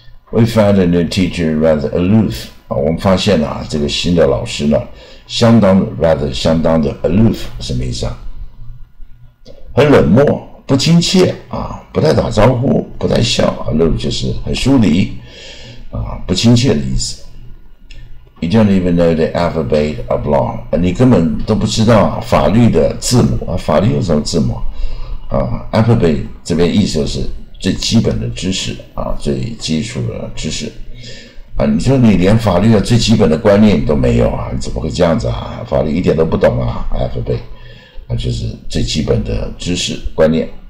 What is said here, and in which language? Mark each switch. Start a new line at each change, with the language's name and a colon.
English: We found a new teacher rather aloof
Chinese: 啊，我们发现啊，这个新的老师呢，相当的 aloof 什么意思啊？很冷漠，不亲切啊，不太打招呼，不太笑 ，aloof 就是很疏离啊，不亲切的意思。
English: You don't even know the alphabet of law.
Chinese: 你根本都不知道法律的字母啊！法律有什么字母？啊 ，alphabet 这边意思就是最基本的知识啊，最基础的知识啊！你说你连法律的最基本的观念都没有啊？你怎么会这样子啊？法律一点都不懂啊 ！alphabet 啊，就是最基本的知识观念。